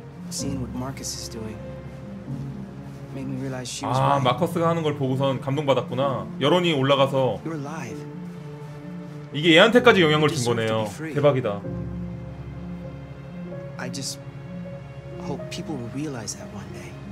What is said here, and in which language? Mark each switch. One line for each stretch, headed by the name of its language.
English: Seeing what Marcus is doing made me realize she was.
Korean: 아, 마커스가 하는 걸 보고선 감동받았구나. 여론이 올라가서 이게 얘한테까지 영향을 준 거네요. 대박이다.
English: I just hope people will realize that one day.